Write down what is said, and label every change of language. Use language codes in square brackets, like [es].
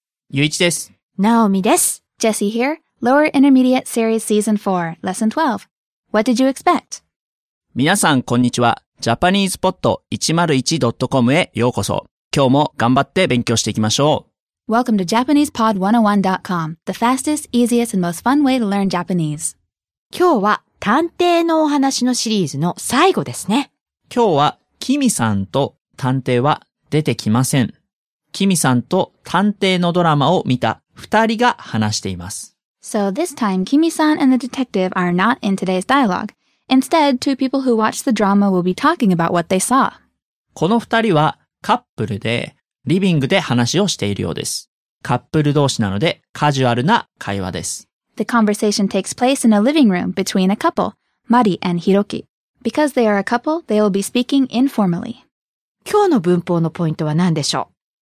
[ja] ゆういちです。ナオミです。 [en] Jesse here. Lower Intermediate Series Season 4 Lesson 12. What did you expect? [ja] 皆さんこんにちは。JapanesePod101.com へようこそ。今日も頑張って勉強していきましょう。 [en] Welcome to JapanesePod101.com, the fastest, easiest, and most fun way to learn Japanese. [ja] 今日は探偵のお話のシリーズの最後ですね。今日はキミさんと探偵は出てきません。キミさんと探偵のドラマを見た二人が話しています。 [en] So this time, Kimi-san and the detective are not in today's dialogue. Instead, two people who watch the drama will be talking about what they saw. [ja] この二人はカップルで、リビングで話をしているようです。カップル同士なのでカジュアルな会話です。 [en] The conversation takes place in a living room between a couple, Mari and Hiroki. Because they are a couple, they will be speaking informally. [ja] 今日の文法のポイントは何でしょう？